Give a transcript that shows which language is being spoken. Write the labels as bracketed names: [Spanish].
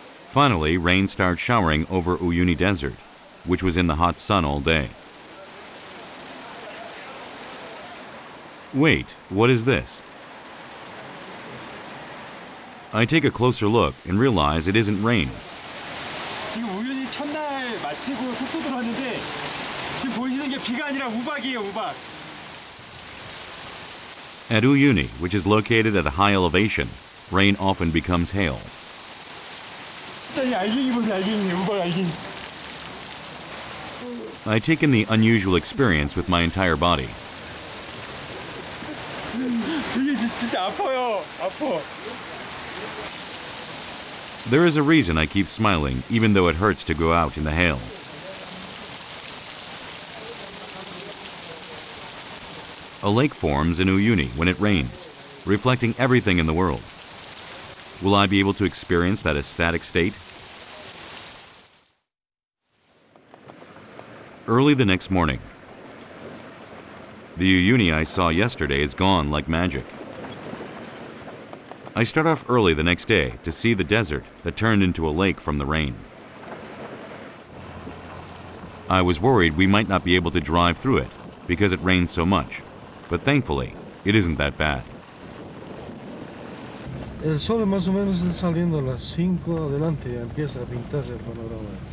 [English] Finally, rain starts showering over Uyuni Desert, which was in the hot sun all day. Wait, what is this? I take a closer look and realize it isn't rain. [Korean] 지금 우유니 첫날 마치고 속도 들어왔는데 지금 보이시는 게 비가 아니라 우박이에요, 우박. [English] At Uyuni, which is located at a high elevation, rain often becomes hail. [Korean] 알갱이 보세요, 알갱이, 우박 알갱이. [English] I take in the unusual experience with my entire body. [Korean] 이게 진짜 아파요, 아파. [English] There is a reason I keep smiling, even though it hurts to go out in the hail. A lake forms in Uyuni when it rains, reflecting everything in the world. Will I be able to experience that ecstatic state? Early the next morning. The Uyuni I saw yesterday is gone like magic. I start off early the next day to see the desert that turned into a lake from the rain. I was worried we might not be able to drive through it because it rains so much. But thankfully, it isn't that bad. [Spanish] El sol más o menos está saliendo a las 5 adelante y empieza a pintarse el panorama.